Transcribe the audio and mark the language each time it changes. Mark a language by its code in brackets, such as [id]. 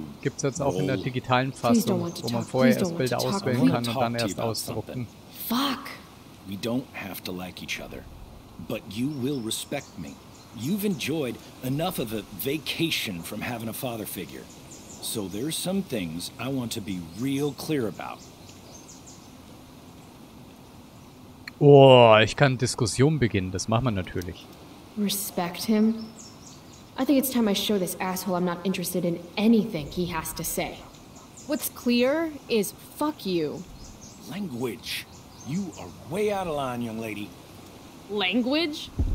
[de] Gibt's jetzt auch in der digitalen Fassung, wo man vorher erst Bilder auswählen kann und dann erst ausdrucken. [en] Fuck! We don't have to like each other, but you will respect me. You've enjoyed enough of a vacation from having a father figure. So there's some things I want to be real clear about. [de] Oh, ich kann Diskussion beginnen, das machen wir natürlich. [en] Respect him? I think it's time I show this asshole I'm not interested in anything he has to say. What's clear is fuck you. Language. You are way out of line, young lady. Language?